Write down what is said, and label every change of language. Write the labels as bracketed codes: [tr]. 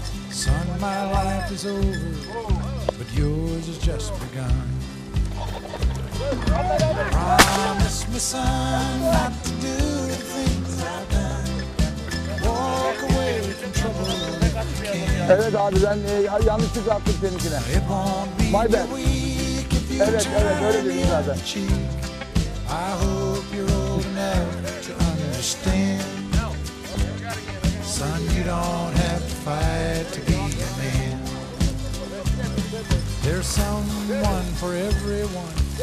[en] Son, my life is over, but yours has just begun. Promise me, son, not to do the things I've done. Walk away from trouble. [tr] Evet abi, ben yanlışlıkla attım seninkine. [en] My bad. [tr] Evet, öyle dedim zaten. [en] I hope you're old enough to understand. Son, you don't have to fight to be a man. There's someone for everyone.